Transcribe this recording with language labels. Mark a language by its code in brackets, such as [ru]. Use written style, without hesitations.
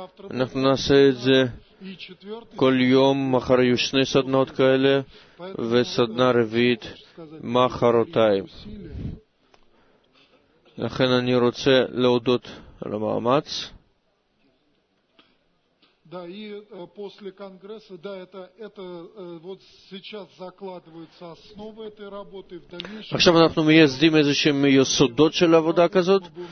[he] אנחנו נעשה את זה כל יום. מחר יהיו שני סדנאות כאלה וסדנה רביעית מחרותיים. לכן אני רוצה להודות על המאמץ. [ru] Да, и после конгресса, да, это вот сейчас закладываются основы этой работы в дальнейшем. [he] עכשיו אנחנו מייסדים איזשהם יסודות של עבודה כזאת.